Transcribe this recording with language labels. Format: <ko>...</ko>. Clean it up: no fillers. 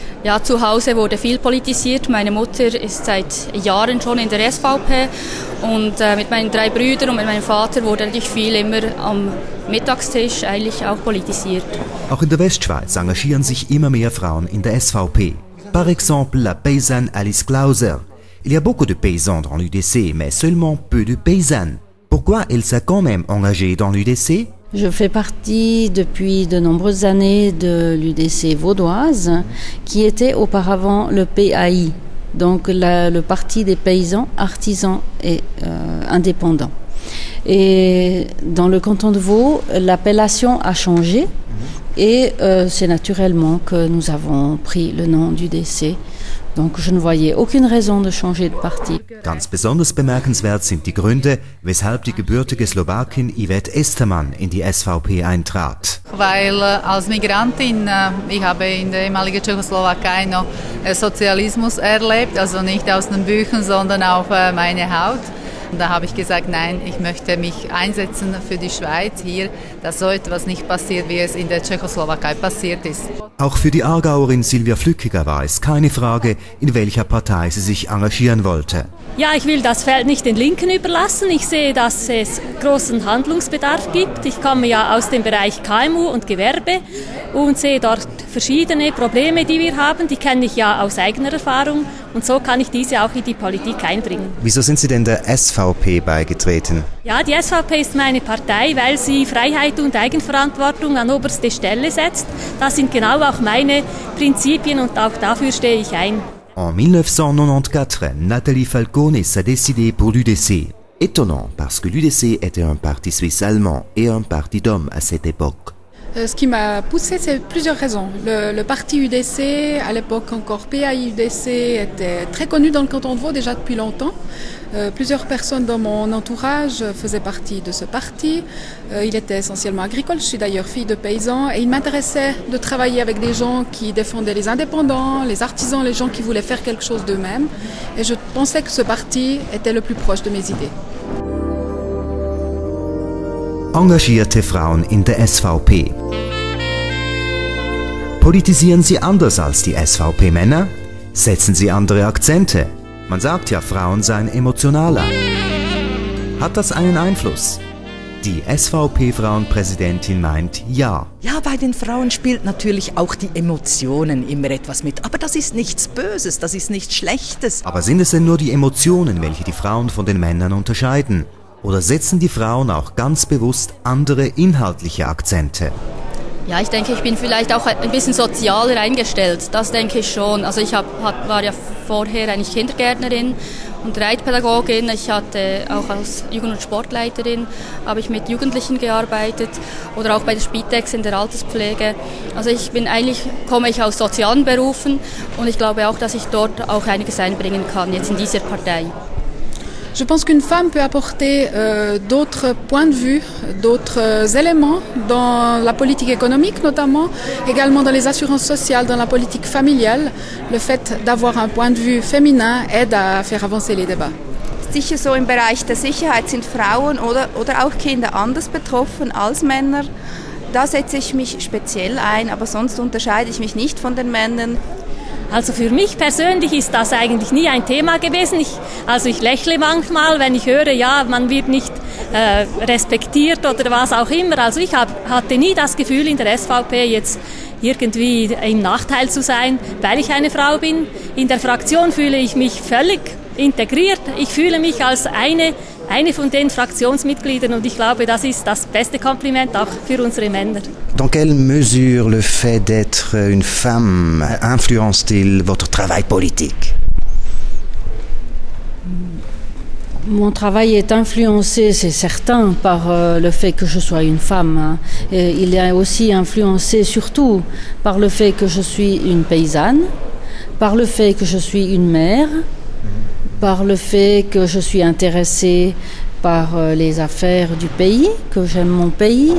<de>Ja, zu Hause wurde viel politisiert. Meine Mutter ist seit Jahren schon in der SVP. Und mit meinen drei Brüdern und mit meinem Vater wurde eigentlich viel immer am Mittagstisch eigentlich auch politisiert. Auch in der Westschweiz engagieren sich immer mehr Frauen in der SVP.</de> <fr>Par exemple, la paysanne Alice Klauser. Il y a beaucoup de paysans dans l'UDC, mais seulement peu de paysannes. Pourquoi elle s'est quand même engagée dans l'UDC? Je fais partie depuis de nombreuses années de l'UDC vaudoise, qui était auparavant le PAI, donc le parti des paysans, artisans et indépendants. Et dans le canton de Vaud, l'appellation a changé et c'est naturellement que nous avons pris le nom d'UDC. Donc je ne voyais aucune raison de changer de parti.</fr> <de>Ganz besonders bemerkenswert sind die Gründe, weshalb die gebürtige Slowakin Yvette Estermann in die SVP eintrat. Weil als Migrantin, ich habe in der ehemaligen Tschechoslowakei noch Sozialismus erlebt, also nicht aus den Büchern, sondern auf meine Haut. Und da habe ich gesagt, nein, ich möchte mich einsetzen für die Schweiz hier, dass so etwas nicht passiert, wie es in der Tschechoslowakei passiert ist. Auch für die Aargauerin Silvia Flückiger war es keine Frage, in welcher Partei sie sich engagieren wollte. Ja, ich will das Feld nicht den Linken überlassen. Ich sehe, dass es großen Handlungsbedarf gibt. Ich komme ja aus dem Bereich KMU und Gewerbe und sehe dort verschiedene Probleme, die wir haben. Die kenne ich ja aus eigener Erfahrung und so kann ich diese auch in die Politik einbringen. Wieso sind Sie denn der SVP beigetreten? Ja, die SVP ist meine Partei, weil sie Freiheit und Eigenverantwortung an oberste Stelle setzt. Das sind genau auch meine Prinzipien und auch dafür stehe ich ein.</de> <fr>En 1994, Nathalie Falcone s'est décidée pour l'UDC. Étonnant, parce que l'UDC était un parti suisse-allemand et un parti d'hommes à cette époque. Ce qui m'a poussée, c'est plusieurs raisons. Le parti UDC, à l'époque encore PAI-UDC, était très connu dans le canton de Vaud déjà depuis longtemps. Plusieurs personnes dans mon entourage faisaient partie de ce parti. Il était essentiellement agricole, je suis d'ailleurs fille de paysan, et il m'intéressait de travailler avec des gens qui défendaient les indépendants, les artisans, les gens qui voulaient faire quelque chose d'eux-mêmes. Et je pensais que ce parti était le plus proche de mes idées.</fr> <de>Engagierte Frauen in der SVP. Politisieren Sie anders als die SVP-Männer? Setzen Sie andere Akzente? Man sagt ja, Frauen seien emotionaler. Hat das einen Einfluss? Die SVP-Frauenpräsidentin meint ja. Ja, bei den Frauen spielt natürlich auch die Emotionen immer etwas mit. Aber das ist nichts Böses, das ist nichts Schlechtes. Aber sind es denn nur die Emotionen, welche die Frauen von den Männern unterscheiden? Oder setzen die Frauen auch ganz bewusst andere inhaltliche Akzente? Ja, ich denke, ich bin vielleicht auch ein bisschen sozialer eingestellt. Das denke ich schon. Also ich war ja vorher eigentlich Kindergärtnerin und Reitpädagogin. Ich hatte auch als Jugend- und Sportleiterin, habe ich mit Jugendlichen gearbeitet oder auch bei der Spitex in der Alterspflege. Also ich bin eigentlich, komme ich aus sozialen Berufen und ich glaube auch, dass ich dort auch einiges einbringen kann, jetzt in dieser Partei.</de> <fr>Je pense qu'une femme peut apporter d'autres points de vue, d'autres éléments dans la politique économique notamment, également dans les assurances sociales, dans la politique familiale. Le fait d'avoir un point de vue féminin aide à faire avancer les débats.</fr> <de>Sicher so im Bereich der Sicherheit sind Frauen oder auch Kinder anders betroffen als Männer. Da setze ich mich speziell ein, aber sonst unterscheide ich mich nicht von den Männern. Also für mich persönlich ist das eigentlich nie ein Thema gewesen. Ich lächle manchmal, wenn ich höre, ja, man wird nicht respektiert oder was auch immer. Also ich hatte nie das Gefühl, in der SVP jetzt irgendwie im Nachteil zu sein, weil ich eine Frau bin. In der Fraktion fühle ich mich völlig integriert. Ich fühle mich als eine von den Fraktionsmitgliedern und ich glaube, das ist das beste Kompliment auch für unsere Männer.</de> <fr>Dans quelle mesure le fait d'être une femme influence-t-il votre travail politique? Mon travail est influencé, c'est certain, par le fait que je sois une femme. Et il est aussi influencé surtout par le fait que je suis une paysanne, par le fait que je suis une mère, par le fait que je suis intéressée par les affaires du pays, que j'aime mon pays.</fr>